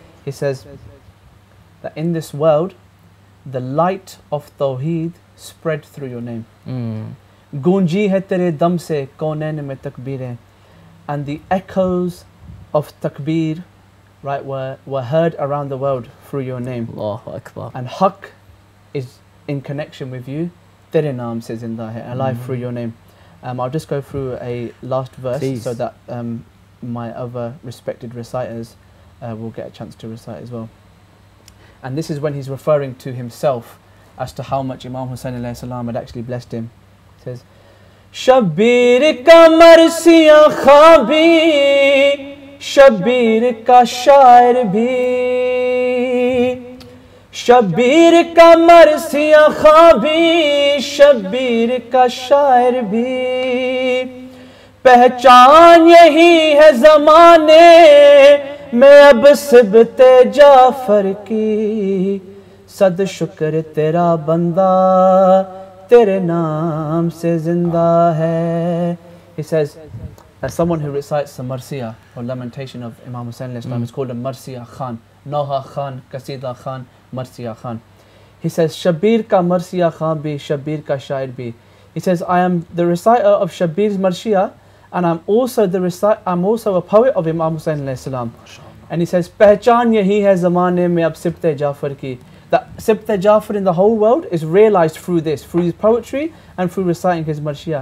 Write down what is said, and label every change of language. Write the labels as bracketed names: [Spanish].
[English] He says that in this world, the light of Tawheed spread through your name. [Urdu] گونجی ہے تیرے دم سے کونین میں تکبیریں۔ [English] And the echoes of takbeer, right, were heard around the world through your name. Allahu Akbar. And Haq is in connection with you. [Urdu] تیرے نام سے زندہ ہے، [English] alive through your name. I'll just go through a last verse. Please. So that my other respected reciters will get a chance to recite as well. And this is when he's referring to himself as to how much Imam Hussain alayhi salam had actually blessed him. He says, [Urdu] Shabbir کا مرثیہ خبی، شبیر کا شاعر بھی، شبیر کا مرثیہ خبی، شبیر کا شاعر بھی۔ پہچان یہی ہے زمانے میں اب سبط جعفر کی، صد شکر تیرا بندہ تیرے نام سے زندہ ہے۔ [English] He says, as someone who recites the Marsiya or lamentation of Imam Hussain alayhi salam, is called a Marsiya Khan. [Urdu] نوحہ خوان، قصیدہ خوان، مرثیہ خوان۔ [English] He says, [Urdu] شبیر کا مرثیہ خوان بھی، شبیر کا شاعر بھی۔ [English] He says, I am the reciter of Shabir's Marsiya, and I'm also a poet of Imam Hussain alayhi salam. And he says, [Urdu] پہچان یہی ہے زمانے میں اب سبط جعفر کی۔ [English] That Sibte Jafar in the whole world is realized through this, through his poetry and through reciting his Marsiya.